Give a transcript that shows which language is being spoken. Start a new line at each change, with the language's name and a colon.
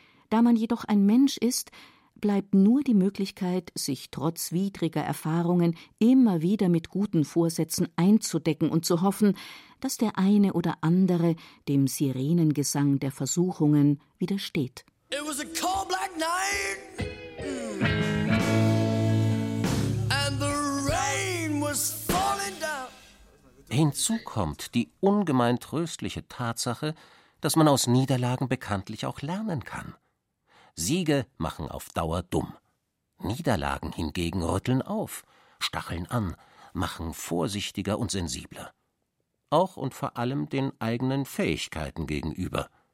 German: Da man jedoch ein Mensch ist, bleibt nur die Möglichkeit, sich trotz widriger Erfahrungen immer wieder mit guten Vorsätzen einzudecken und zu hoffen, dass der eine oder andere dem Sirenengesang der Versuchungen widersteht.
English: It was a cold black night. And the rain was falling down.
German: Hinzu kommt die ungemein tröstliche Tatsache, dass man aus Niederlagen bekanntlich auch lernen kann. Siege machen auf Dauer dumm. Niederlagen hingegen rütteln auf, stacheln an, machen vorsichtiger und sensibler. Auch und vor allem den eigenen Fähigkeiten gegenüber.